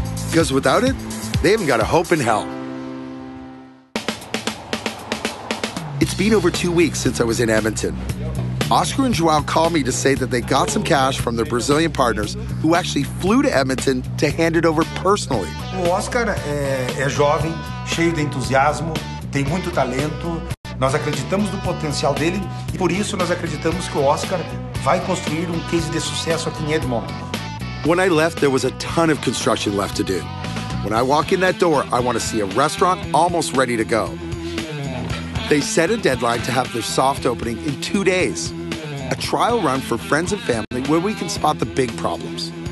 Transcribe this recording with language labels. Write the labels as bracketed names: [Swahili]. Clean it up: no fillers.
[English] Because without it, they haven't got a hope in hell. It's been over 2 weeks since I was in Edmonton. Oscar and Joao called me to say that they got some cash from their Brazilian partners, who actually flew to Edmonton to hand it over personally. [Portuguese] Oscar é jovem, cheio de entusiasmo, tem muito talento. Nós acreditamos no potencial dele, e por isso nós acreditamos que o Oscar vai construir case de sucesso aqui em Edmonton. [English] When I left, there was a ton of construction left to do. When I walk in that door, I want to see a restaurant almost ready to go. They set a deadline to have their soft opening in 2 days. A trial run for friends and family where we can spot the big problems.